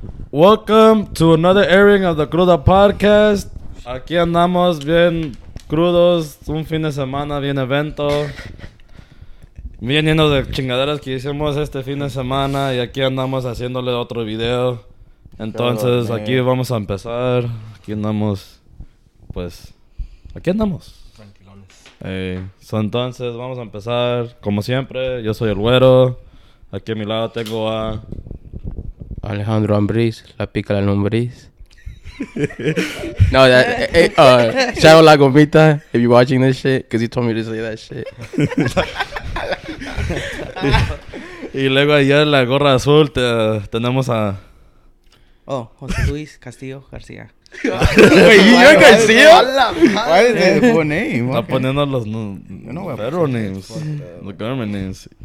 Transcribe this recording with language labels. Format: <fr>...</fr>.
<en>Welcome to another airing of the Cruda Podcast.</en> <es>Aquí andamos bien crudos, un fin de semana bien evento. Bien lleno de chingaderas que hicimos este fin de semana y aquí andamos haciéndole otro video. Entonces, aquí vamos a empezar. Aquí andamos, pues, aquí andamos. Tranquilones. Entonces, vamos a empezar. Como siempre, yo soy el güero. Aquí a mi lado tengo a... Alejandro Ambriz, la pica la lombriz.</es> <en>No, shout out La Gomita, if you're watching this shit, because you told me to say that shit.</en> <es>Y luego allá en la gorra azul tenemos a... Oh, José Luis Castillo García.</es> <en>Wait, you're Castillo? Why is that a full name?</en> <es>Está poniendo los</es> <en>federal names, the government names.</en>